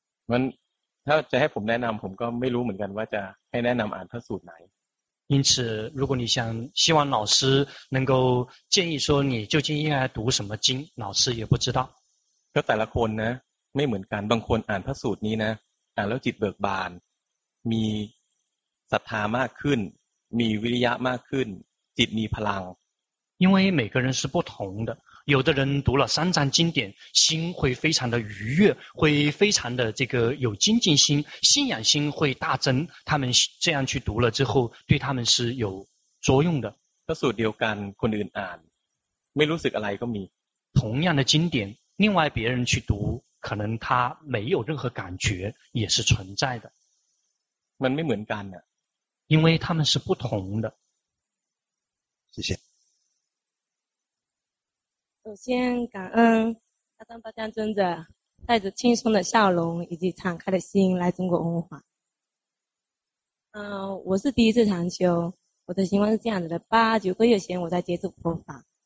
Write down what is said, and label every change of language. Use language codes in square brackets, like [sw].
[th] มันถ้าจะให้ผมแนะนำผมก็ไม่รู้เหมือนกันว่าจะให้แนะนำอ่านพระสูตรไหน [zh] 因此如果你想希望老师能够建议说你究竟应该读什么经老师也不知道 [th] ก็แต่ละคนนะไม่เหมือนกันบางคนอ่านพระสูตรนี้นะอ่านแล้วจิตเบิกบานมีศรัทธามากขึ้นมีวิริยะมากขึ้นจิตมีพลัง [zh] 因为每个人是不同的有的人读了三藏经典心会非常的愉悦会非常的这个有精进心信仰心会大增他们这样去读了之后对他们是有作用的 [th] พระสูตรเดียวกันคนอื่นอ่านไม่รู้สึกอะไรก็มี [zh] 同样的经典另外别人去读可能他没有任何感觉也是存在的 [th] มันไม่เหมือนกันน่ะ [zh] 因为他们是不同的谢谢首先感恩阿当巴江尊者带着轻松的笑容以及敞开的心来中国文化我是第一次禅修我的情况是这样子的八九个月前我在接触佛法